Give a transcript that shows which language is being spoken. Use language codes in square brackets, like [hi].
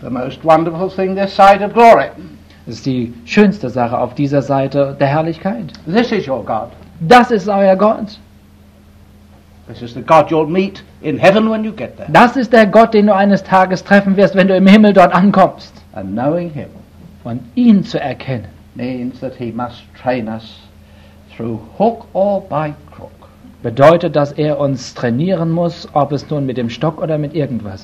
[en] The most wonderful thing this side of glory. [de] Das ist die schönste Sache auf dieser Seite der Herrlichkeit. [en] This is your God. [de] Das ist euer Gott. [en] This is the God you'll meet in heaven when you get there. [de] Das ist der Gott, den du eines Tages treffen wirst, wenn du im Himmel dort ankommst. [en] And knowing him, [de] von ihn zu erkennen, [en] means that he must train us through hook or by crook. [de] Bedeutet, dass er uns trainieren muss, ob es nun mit dem Stock oder mit irgendwas ist.